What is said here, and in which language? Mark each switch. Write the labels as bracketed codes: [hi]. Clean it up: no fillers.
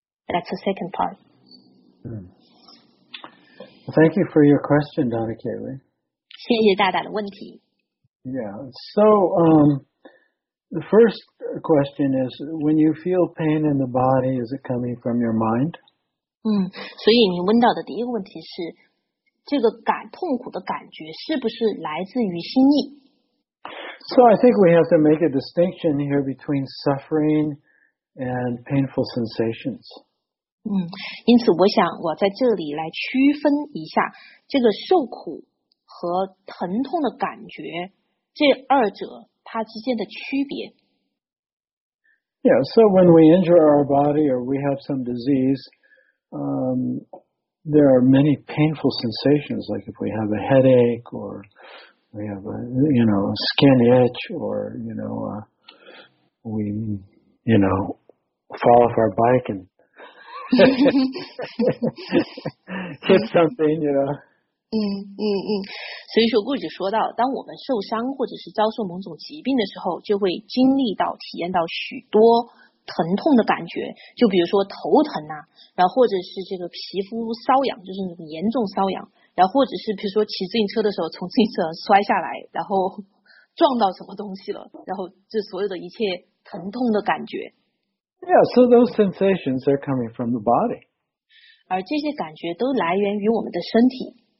[en] That's the second part. Thank you for your question, Donna Kaylee. [zh] 谢谢大大的问题。 [en] Yeah, so the first question is, when you feel pain in the body, is it coming from your mind? [zh] 所以你问到的第一个问题是，这个痛苦的感觉是不是来自于心意？ [en] So I think we have to make a distinction here between suffering and painful sensations. [zh] 因此我想我在这里来区分一下这个受苦和疼痛的感觉，这二者它之间的区别。 [en] Yeah, so when we injure our body or we have some disease, there are many painful sensations, like if we have a headache or we have a skin itch or, we fall off our bike and hit something, you know. [zh] 所以说顾姐说到，当我们受伤或者是遭受某种疾病的时候，就会经历到体验到许多疼痛的感觉，就比如说头疼啊，然后或者是这个皮肤瘙痒，就是那种严重瘙痒，然后或者是比如说骑自行车的时候从自行车上摔下来，然后撞到什么东西了，然后这所有的一切疼痛的感觉。 [en] Yeah, so those sensations are coming from the body. [zh] 而这些感觉都来源于我们的身体。